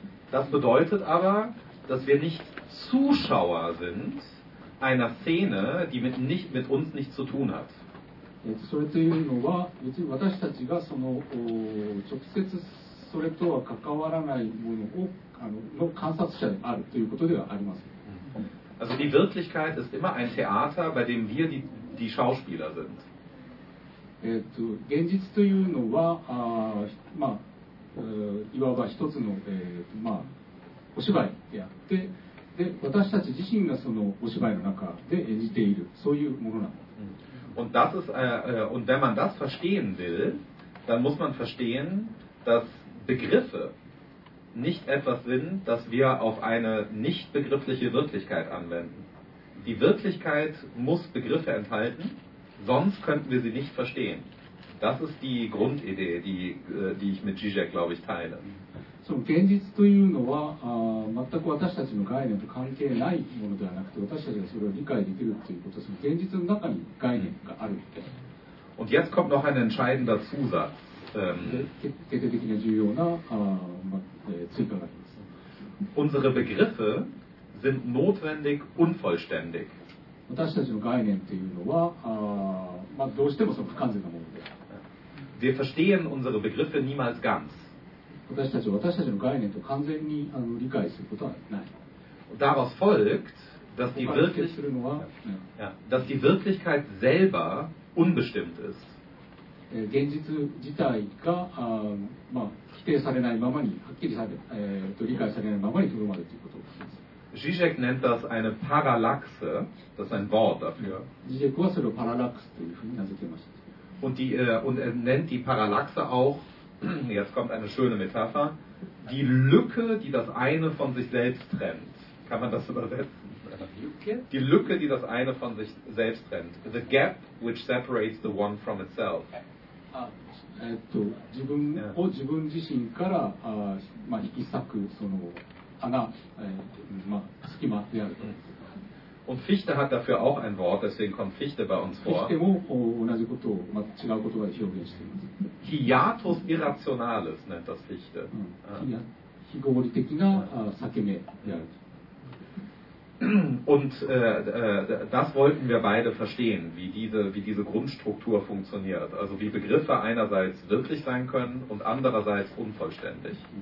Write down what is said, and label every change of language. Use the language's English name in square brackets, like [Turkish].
[German] Das bedeutet aber, dass wir nicht Zuschauer sind einer Szene, die mit uns nichts zu tun hat. [Japanese] それというのは別に私たちがその直接それとは関わらないものをの観察者であるということではありません。 [German] Also die Wirklichkeit ist immer ein Theater, bei dem wir die Schauspieler sind. [Japanese] 現実というのはまあいわば一つの、まあ、お芝居であってで私たち自身がそのお芝居の中で演じているそういうものなの。 [German] Und das ist, und wenn man das verstehen will, dann muss man verstehen, dass Begriffe nicht etwas sind, das wir auf eine nicht begriffliche Wirklichkeit anwenden. Die Wirklichkeit muss Begriffe enthalten, sonst könnten wir sie nicht verstehen. Das ist die Grundidee, die ich mit Žižek, glaube ich, teile. [Japanese] So, 現実というのは、全く私たちの概念と関係ないものではなくて、私たちがそれを理解できるということです。現実の中に概念があるって。 [German] Und jetzt kommt noch ein entscheidender Zusatz. [Japanese] 決定的に重要な、追加があります。 [German] Unsere Begriffe sind notwendig unvollständig. [Japanese] 私たちの概念というのは、まあ、どうしてもその不完全なものです。 [German] Wir verstehen unsere Begriffe niemals ganz. [Japanese] 私たちは私たちの概念と完全に理解することはない。 [German] Daraus folgt, dass die Wirklichkeit, ja, dass die Wirklichkeit selber unbestimmt ist. [Japanese] 現実自体が、まあ、否定されないままに、はっきりされ、理解されないままにとどまるということです。 [German] Žižek nennt das eine Parallaxe, das ist ein Wort dafür. Žižek hat das Parallaxe genannt. Und er nennt die Parallaxe auch, jetzt kommt eine schöne Metapher, die Lücke, die das eine von sich selbst trennt. Kann man das übersetzen? Die Lücke, die das eine von sich selbst trennt. [English] The gap, which separates the one from itself. [Japanese] 自分を自分自身から、まあ、引き裂くその穴、まあ、隙間であると。 [German] Und Fichte hat dafür auch ein Wort, deswegen kommt Fichte bei uns vor. [Japanese] Fichte も同じことを、まあ、違う言葉で表現しています。 [German] Hiatus irrationalis nennt das Fichte. [Japanese] 非合理的な裂目である。 [German] Und das wollten wir beide verstehen, wie diese Grundstruktur funktioniert. Also wie Begriffe einerseits wirklich sein können und andererseits unvollständig.